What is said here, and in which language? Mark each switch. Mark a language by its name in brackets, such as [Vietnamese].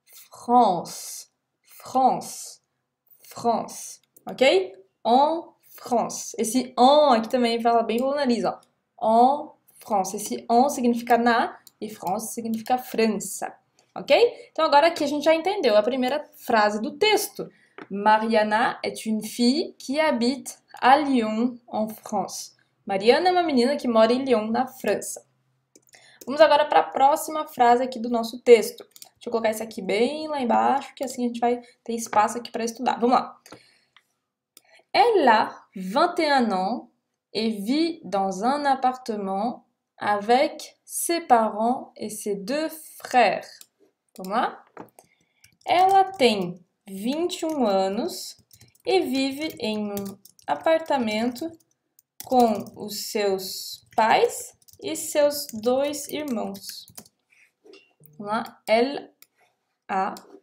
[French] France. France. France. Ok? En France. [Portuguese] Esse en aqui também fala bem pelo nariz, ó. [French] En France. [Portuguese] Esse en significa na e France significa França. Ok? Então agora aqui a gente já entendeu a primeira frase do texto. [French] Mariana est une fille qui habite à Lyon, en France. [Portuguese] Mariana é uma menina que mora em Lyon, na França. Vamos agora para a próxima frase aqui do nosso texto. Deixa eu colocar isso aqui bem lá embaixo, que assim a gente vai ter espaço aqui para estudar. Vamos lá. [French] Elle a 21 ans et vit dans un appartement avec ses parents et ses deux frères. [Portuguese] Vamos lá? Ela tem 21 anos e vive em um apartamento com os seus pais e seus dois irmãos. Vamos lá. Ela. A.